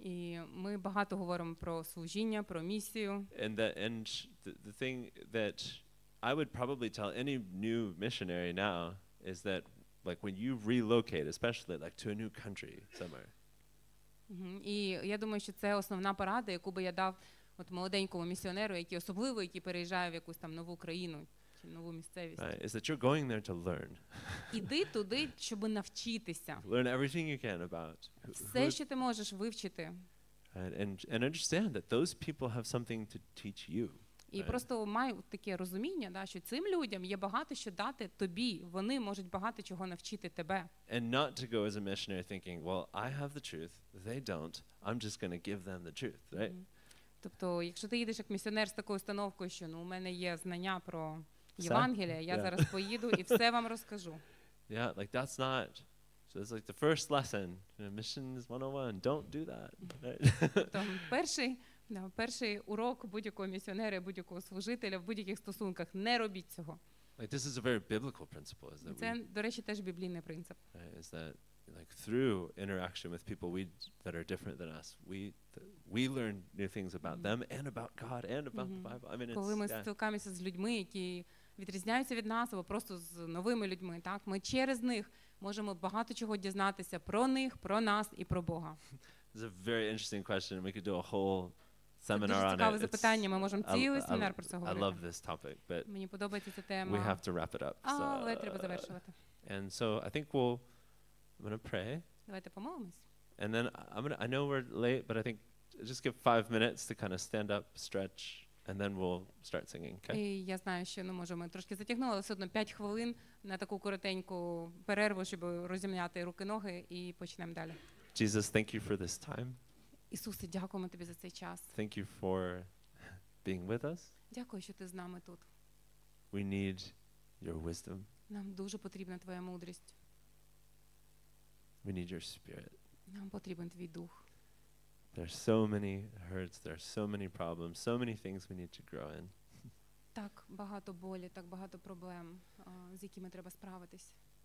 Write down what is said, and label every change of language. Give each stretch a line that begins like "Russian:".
Ukrainian: І ми багато говоримо про служіння, про місію.
English: And the thing that I would probably tell any new missionary now is that, like, when you relocate, especially like to a new country somewhere. Mm-hmm.
Ukrainian: І я думаю, що це основна порада, яку би я дав от молоденькому місіонеру, який особливо, який переїжджає в якусь там нову країну. Нову місцевість.
English: Right, is that you're going there to learn.
Ukrainian: Іди туди, щоб навчитися.
English: Learn everything you can about.
Ukrainian: Все, що ти можеш вивчити.
English: And understand that those people have something to teach you.
Ukrainian: І просто май таке розуміння, да, що цим людям є багато що дати тобі. Вони можуть багато чого навчити тебе.
English: And not to go as a missionary thinking, well, I have the truth, they don't. I'm just going to give them the truth, right?
Ukrainian: Тобто, якщо ти їдеш як місіонер з такою установкою, що, ну, у мене є знання про Євангелія, я зараз поїду і все вам розкажу.
English: Yeah, like that's not. So it's like the first lesson. Missions 101. Don't do that.
Ukrainian: Там перший урок будь-якого місіонера, будь-якого служителя в будь-яких стосунках: не робіть цього.
English: Like, this is a very biblical principle, is that.
Ukrainian: Це, до речі, теж біблійний принцип.
English: Is that, like, through interaction with people that are different than us, we learn new things about mm-hmm. them and about God and about mm-hmm. the Bible. I mean, it's,
Ukrainian: коли ми спілкуємося з людьми, які відрізняються від нас, або просто з новими людьми, так, ми через них можемо багато чого дізнатися про них, про нас і про Бога.
English: It's a very interesting question. We could do a whole seminar on it.
Ukrainian: Це цікаве запитання. Ми можемо цілий семінар про це говорити.
English: I love this topic, but
Ukrainian: мені подобається ця тема.
English: We have to wrap it up.
Ukrainian: Але треба завершувати.
English: And so I think I'm going to pray.
Ukrainian: Давайте помолимось.
English: And then I know we're late, but I think just give 5 minutes to kind of stand up, stretch, and then we'll start singing. Okay?
Ukrainian: І я знаю, що, ну, може, ми трошки затягнули, але все одно 5 хвилин на таку коротеньку перерву, щоб розім'яти руки-ноги, і почнемо далі.
English: Jesus, thank you for this time.
Ukrainian: Ісусе, дякуємо тобі за цей час.
English: Thank you for being with us.
Ukrainian: Дякую, що ти з нами тут.
English: We need your wisdom.
Ukrainian: Нам дуже потрібна твоя мудрість.
English: We need your spirit.
Ukrainian: Нам потрібен твій дух.
English: There are so many hurts, there are so many problems, so many things we need to grow in.
Ukrainian: Так багато болі, так багато проблем, з якими треба справитися.